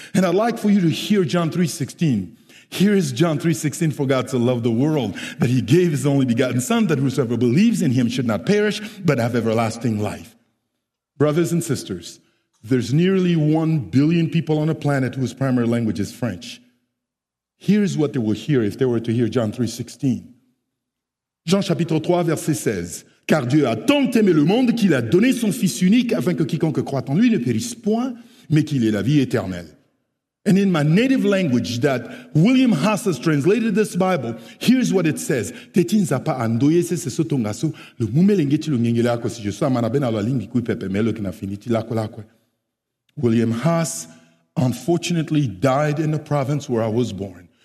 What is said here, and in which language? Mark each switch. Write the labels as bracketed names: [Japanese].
[English] And I'd like for you to hear John 3:16. Here is John 3:16, for God so loved the world, that he gave his only begotten Son, that whosoever believes in him should not perish, but have everlasting life. Brothers and sisters, there's nearly 1 billion people on the planet whose primary language is French. Here's what they will hear if they were to hear John 3:16. [French] Jean chapitre 3, verset 16. Car Dieu a tant aimé le monde qu'il a donné son fils unique afin que quiconque croit en lui ne périsse point, mais qu'il ait la vie éternelle. [English] And in my native language that William Haas has translated this Bible, here's what it says. Tetin zapa andoye se se sotongasu, le mumelenge ti lungengile ako si jesu amanabena la lingi kui pepe melo kina finiti lakolakwe. William Haas unfortunately died in the province where I was born.